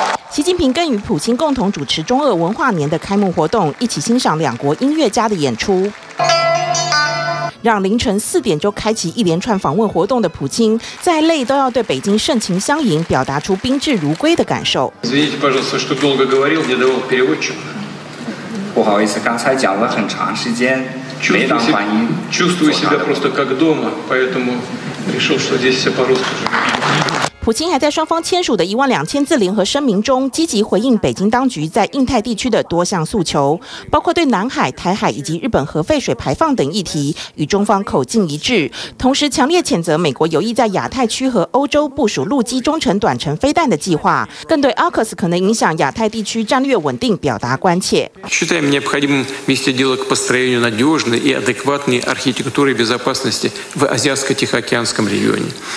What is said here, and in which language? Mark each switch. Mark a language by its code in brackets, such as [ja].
[zh] 习近平更与普京共同主持中俄文化年的开幕活动，一起欣赏两国音乐家的演出。让凌晨四点就开启一连串访问活动的普京，再累都要对北京盛情相迎，表达出宾至如归的感受。 [ru] извините, пожалуйста, что долго говорил, не давал переводчик. [zh] 不好意思，刚才讲了很长时间，没当翻译。 [ru] чувствую себя просто как дома, поэтому решил, что здесь все по-русски. [zh] 普京还在双方签署的12000字联合声明中积极回应北京当局在印太地区的多项诉求，包括对南海、台海以及日本核废水排放等议题与中方口径一致，同时强烈谴责美国有意在亚太区和欧洲部署陆基中程短程飞弹的计划，更对 AUKUS 可能影响亚太地区战略稳定表达关切。 [ru] считаем необходимым вести диалог по строению надежной и адекватной архитектуры безопасности в Азиатско-Тихоокеанском регионе.